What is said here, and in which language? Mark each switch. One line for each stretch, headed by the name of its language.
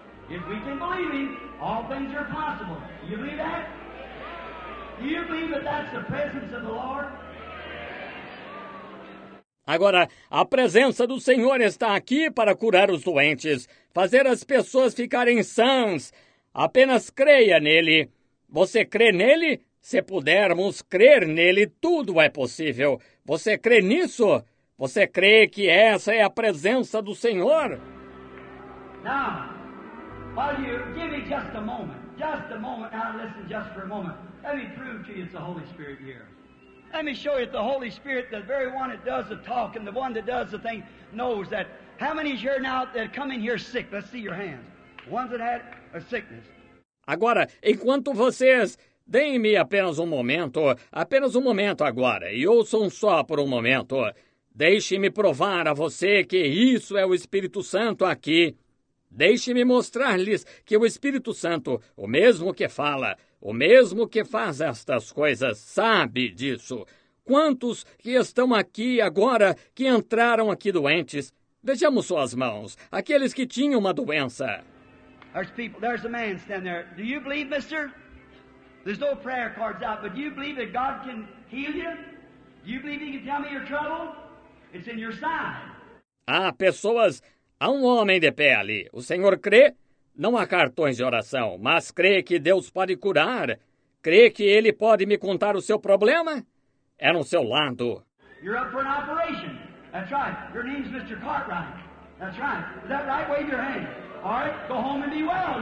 English: If we can believe him, all things are possible. Do you believe that? Do you believe that that's the presence of the Lord?
Portuguese: Agora, a presença do Senhor está aqui para curar os doentes, fazer as pessoas ficarem sãs. Apenas creia nele. Você crê nele? Se pudermos crer nele, tudo é possível. Você crê nisso? Você crê que essa é a presença do Senhor?
English: Now, while you give me just a moment. Now listen just for a moment. Let me prove to you it's the Holy Spirit here. Let me show you that the Holy Spirit, the very one that does the talk and the one that does the thing, knows that. How many is here now that come in here sick? Let's see your hands. Ones that had a sickness.
Portuguese: Agora, enquanto vocês... Deem-me apenas um momento agora, e ouçam só por um momento. Deixe-me provar a você que isso é o Espírito Santo aqui. Deixe-me mostrar-lhes que o Espírito Santo, o mesmo que fala, o mesmo que faz estas coisas, sabe disso. Quantos que estão aqui agora que entraram aqui doentes? Vejamos suas mãos, aqueles que tinham uma doença.
English: There's a man standing there. Do you believe, mister? There's no prayer cards out, but do you believe that God can heal you? Do you believe he can tell me your trouble? It's in your side.
Portuguese: Ah, pessoas, há um homem de pé ali. O senhor crê? Não há cartões de oração, mas crê que Deus pode curar. Crê que ele pode me contar o seu problema? É no seu lado.
English: You're up for an operation. That's right. Your name's Mr. Cartwright. That's right. Is that right? Wave your hand. All right, go home and be well.